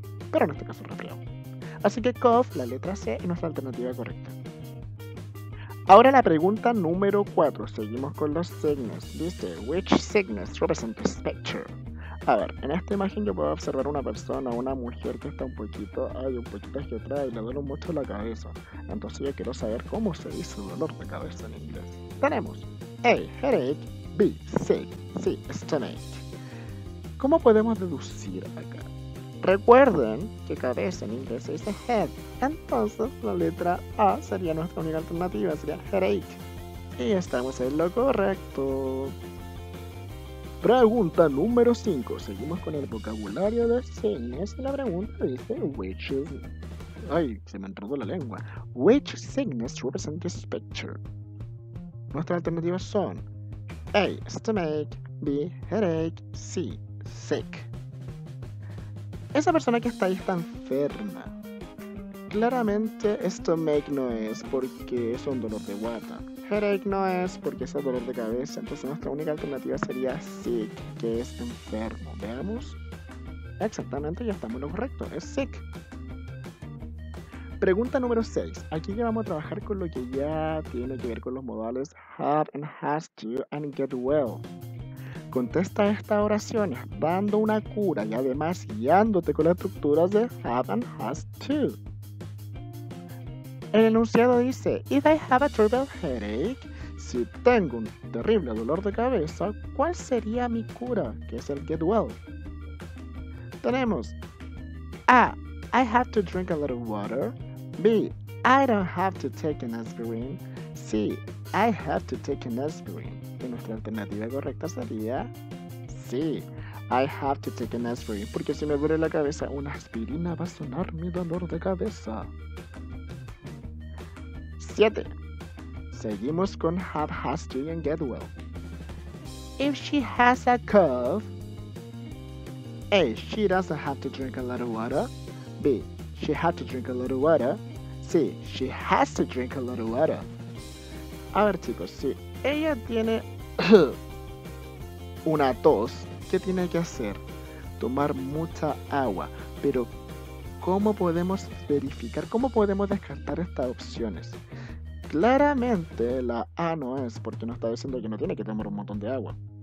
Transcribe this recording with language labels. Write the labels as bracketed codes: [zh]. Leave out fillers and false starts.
[es] Pero en este caso, resfriado. Así que cough, la letra C, es nuestra alternativa correcta. Ahora la pregunta número 4. Seguimos con los signos. [en] Dice: Which sickness represents the picture? [es] A ver, en esta imagen yo puedo observar una persona, una mujer que está un poquito hacia atrás y le duele mucho la cabeza. Entonces yo quiero saber cómo se dice dolor de cabeza en inglés. Tenemos A. Headache. B. Sick. C. Stomach. ¿Cómo podemos deducir acá? Recuerden que cabeza en inglés se dice head. Entonces la letra A sería nuestra única alternativa, sería headache. Y estamos en lo correcto. Pregunta número 5. Seguimos con el vocabulario de signos. La pregunta dice: [en] Which is. [es] Ay, se me entró la lengua. [en] Which signs represent this picture? [es] Nuestras alternativas son A. Stomach. B. Headache. C. sick. Esa persona que está ahí está enferma. Claramente, esto make no es porque es un dolor de guata. Headache no es porque es un dolor de cabeza. Entonces, nuestra única alternativa sería sick, que es enfermo. Veamos. Exactamente, ya estamos en lo correcto. Es sick. Pregunta número 6. Aquí ya vamos a trabajar con lo que ya tiene que ver con los modales have and has to and get well. Contesta esta oración dando una cura y además guiándote con las estructuras de have and has to. El enunciado dice, [en] if I have a terrible headache, [es] si tengo un terrible dolor de cabeza, ¿cuál sería mi cura? Que es el get well. Tenemos, A. [en] I have to drink a little water. B. I don't have to take an aspirin. C. I have to take an aspirin. [es] Y nuestra alternativa correcta sería, C. [en] I have to take an aspirin. [es] Porque si me duele la cabeza, una aspirina va a sanar mi dolor de cabeza. 7. Seguimos con have, has to, and get well. [en] If she has a cough, A. She doesn't have to drink a lot of water. B. She has to drink a lot of water. C. She has to drink a lot of water. [es] A ver, chicos, si ella tiene una tos, ¿qué tiene que hacer? Tomar mucha agua. Pero, ¿cómo podemos verificar? ¿Cómo podemos descartar estas opciones? Claramente la A no es, porque nos está diciendo que no tiene que tomar un montón de agua.